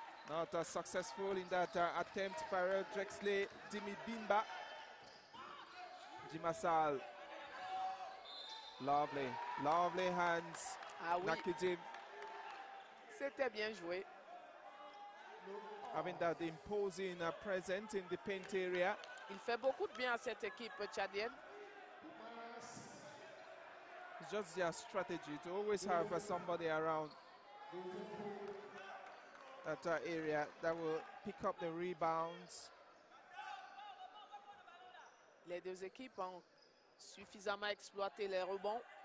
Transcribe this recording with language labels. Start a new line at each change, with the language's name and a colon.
English: Not successful in that attempt, Farrell Drexley, Dimi Bimba. Jimasal. Lovely, lovely hands.
French: Ah oui. Nakijim. C'était bien joué.
English: Having that imposing presence in the paint area.
French: Il fait beaucoup de bien à cette équipe tchadienne.
English: It's just their strategy to always have somebody around that area that will pick up the rebounds.
French: Les deux équipes ont suffisamment exploité les rebonds.